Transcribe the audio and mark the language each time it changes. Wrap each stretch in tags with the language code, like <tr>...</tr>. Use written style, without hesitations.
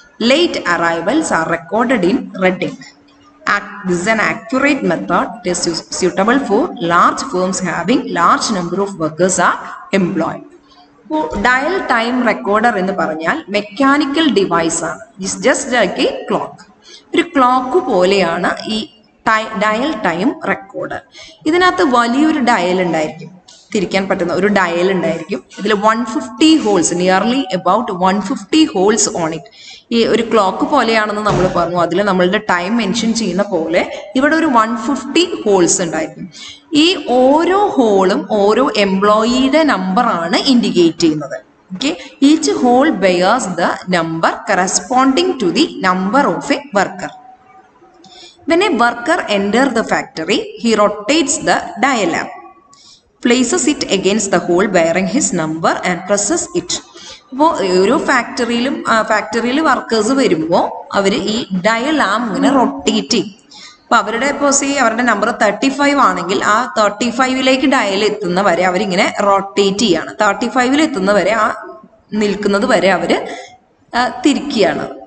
<en>Late arrivals are recorded in red ink. This is an accurate method. It is suitable for large firms having large number of workers are employed. Dial time recorder</en> <ml>ennu paranjal</ml> <en>mechanical device is just like a clock.</en> <ml>Oru clock poleyana ee dial time recorder. ഇതിനകത്ത് വലിയൊരു dial ഉണ്ടായിരിക്കും. തിരിക്കാൻ പറ്റുന്ന ഒരു dial ഉണ്ടായിരിക്കും.</ml> <en>ഇതിൽ 150 holes, nearly about 150 holes on it.</en> <ml>ഈ ഒരു ക്ലോക്ക് പോലെയാണെന്ന് നമ്മൾ പറഞ്ഞു. അതിൽ നമ്മളുടെ ടൈം മെൻഷൻ ചെയ്യുന്ന പോലെ ഇവിടെ ഒരു 150 ഹോൾസ് ഉണ്ടായിരിക്കും. ഈ ഓരോ ഹോളും ഓരോ എംപ്ലോയിയുടെ നമ്പറാണ് ഇൻഡിക്കേറ്റ് ചെയ്യുന്നത്.</ml> <en>Okay, each hole bears the number corresponding to the number of a worker. When a worker enters the factory, he rotates the dial arm, places it against the hole bearing his number and presses it.</en> <ml>അപ്പോൾ ഓരോ ഫാക്ടറിയിലും ഫാക്ടറിയിൽ workers വരുമ്പോൾ അവർ ഈ dial ആം ഇങ്ങനെ rotate ചെയ്യും. അപ്പോൾ അവരുടെ ഇപ്പോൾ സി അവരുടെ നമ്പർ 35 ആണെങ്കിൽ ആ 35 ഡയൽ എത്തുന്നവരെ അവരിങ്ങനെ റൊട്ടേറ്റ് ചെയ്യുകയാണ്. 35 എത്തുന്നവരെ ആ നിൽക്കുന്നത് വരെ അവർ തിരിക്കുകയാണ്.</ml>